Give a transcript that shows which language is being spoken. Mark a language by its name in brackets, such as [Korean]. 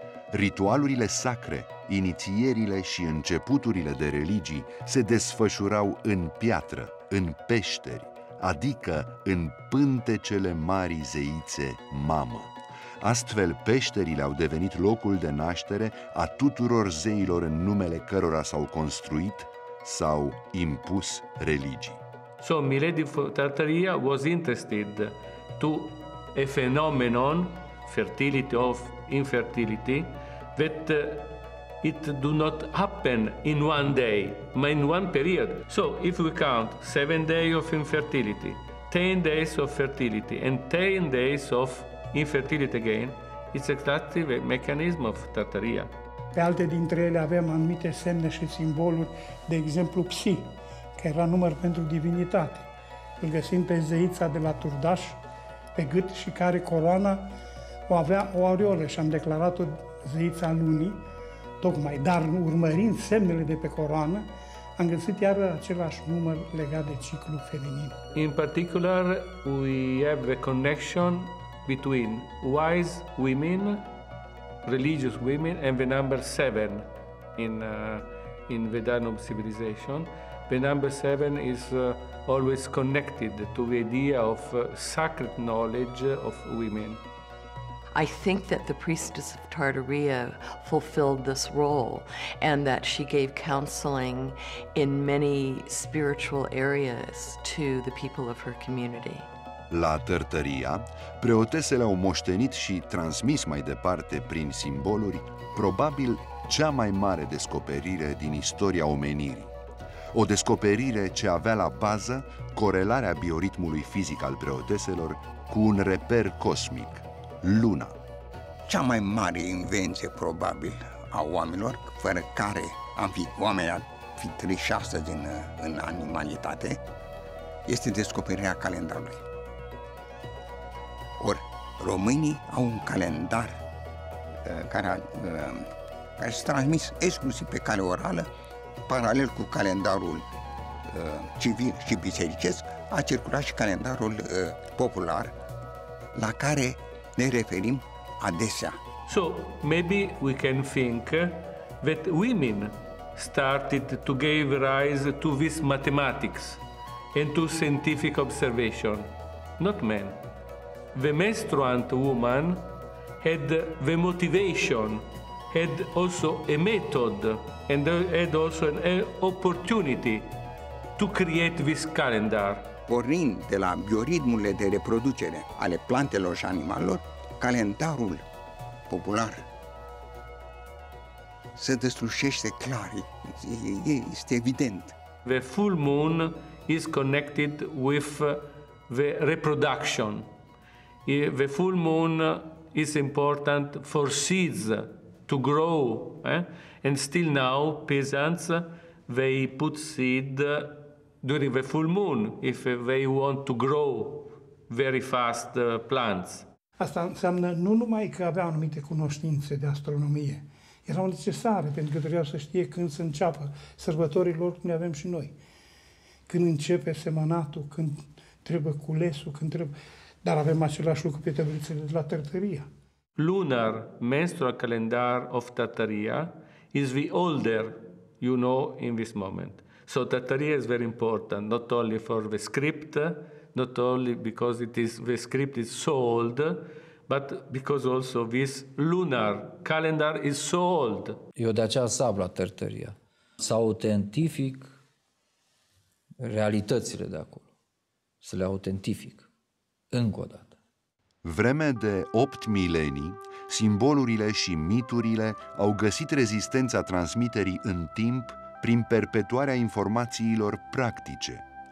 [Romanian] Ritualurile sacre, inițierile și începuturile de religii se desfășurau în piatră, în peșteri, adică în pântecele marii zeițe mamă. Astfel, peșterile au devenit locul de naștere a tuturor zeilor în numele cărora s-au construit sau impus religii. [English] So, Milady of Tartaria was interested to a phenomenon, fertility of infertility, that it do not happen in one day, but in one period. So if we count 7 days of infertility, 10 days of fertility, and 10 days of infertility again, it's exactly the mechanism of Tartaria. [Romanian] Pe alte dintre ele avem anumite semne și simboluri, de exemplu Psi, care era număr pentru divinitate. Îl găsim pe zeița de la Turdaș, pe gât și care coroana o avea o aureolă și am declarat-o zeița lunii, tocmai, dar urmărind semnele de pe coroană, am găsit iar același număr legat de ciclu feminin. [English] In particular, we have a connection between wise women, religious women, and the number 7 in Vedanum civilization. The number 7 is always connected to the idea of sacred knowledge of women. I think that the priestess of Tartaria fulfilled this role and that she gave counseling in many spiritual areas to the people of her community. [Romanian] La Tărtăria, preotesele au moștenit și transmis mai departe prin simboluri probabil cea mai mare descoperire din istoria omenirii. O descoperire ce avea la bază corelarea bioritmului fizic al preoteselor cu un reper cosmic, Luna. Cea mai mare invenție, probabil, a oamenilor, fără care am fi oamenii ar fi trăiți astăzi în animalitate, este descoperirea calendarului. Ori, românii au un calendar care s-a transmis exclusiv pe cale orală, paralel cu calendarul civil și bisericesc, a circulat și calendarul popular, la care ne referim adesea. [English] So, maybe we can think that women started to give rise to this mathematics and to scientific observation, not men. The menstruant woman had the motivation had also a method and had also an opportunity to create this calendar. [Romanian] Pornind de la bioritmurile de reproducere ale plantelor și animalelor, calendarul popular se destrușește clar, este evident. [English] The full moon is connected with the reproduction. The full moon is important for seeds to grow. And still now, peasants, they put seed during the full moon if they want to grow very fast plants. [Romanian] Asta înseamnă nu numai că avea anumite cunoștințe de astronomie, erau necesare pentru că trebuia să știe când se înceapă sărbătorii lor, cum le avem și noi. Când începe semănatul, când trebuie culesul, când trebuie... Dar avem același lucru pe tablițele de la Tărtăria. [English] Lunar menstrual calendar of Tărtăria is the older you know in this moment. So Tărtăria is very important, not only for the script, not only because it is the script is so old, but because also this lunar calendar is so old. [Romanian] Eu de aceea sap la Tărtăria. Să autentific realitățile de acolo. Să le autentific. Încă o dată. Vreme de 8 milenii, simbolurile și miturile au găsit rezistența transmiterii în timp prin perpetuarea informațiilor practice.